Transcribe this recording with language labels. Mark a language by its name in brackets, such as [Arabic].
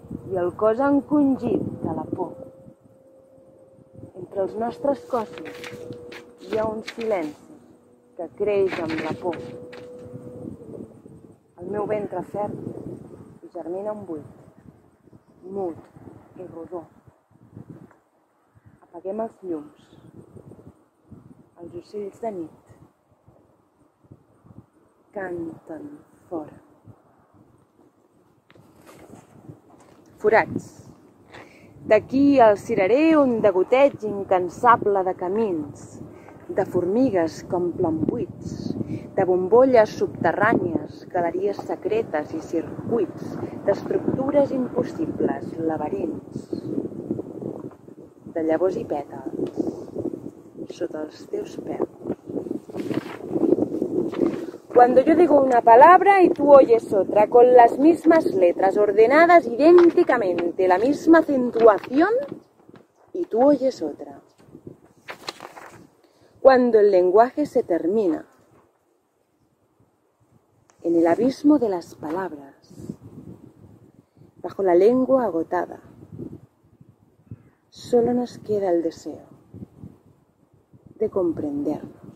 [Catalan] I el cos encongit de la por. Entre els nostres cossos hi ha un silenci que creix amb la por. El meu ventre fèrtil germina un buit. Mut. I rodó. Apaguem els llums, els ocells de nit canten fora. Forats. D'aquí els ciraré un degoteig incansable de camins, de formigues que omplen buits, de bombolles subterrànies, galeries secretes i circuits, d'estructures impossibles, laberints, de llavors i pètals, sota els teus peus. [Spanish] Cuando yo digo una palabra y tú oyes otra, con las mismas letras ordenadas idénticamente, la misma acentuación y tú oyes otra. Cuando el lenguaje se termina en el abismo de las palabras, bajo la lengua agotada, solo nos queda el deseo de comprendernos.